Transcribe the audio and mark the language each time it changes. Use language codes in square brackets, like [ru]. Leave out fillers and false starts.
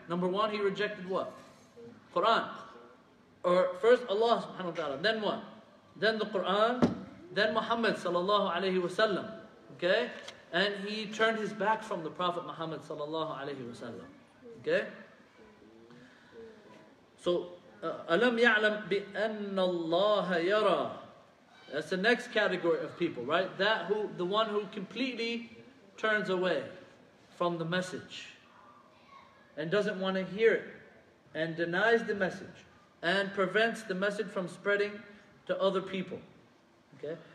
[en] Number one, he rejected what? Quran. Or first Allah subhanahu wa ta'ala, then what? Then the Quran, then Muhammad sallallahu alayhi wa sallam. Okay? And he turned his back from the Prophet Muhammad sallallahu alayhi wa sallam. Okay? So, [ar] أَلَمْ يَعْلَمْ بِأَنَّ اللَّهَ يَرَى. [en] That's the next category of people, right? That who, the one who completely turns away from the message and doesn't want to hear it and denies the message and prevents the message from spreading to other people. Okay?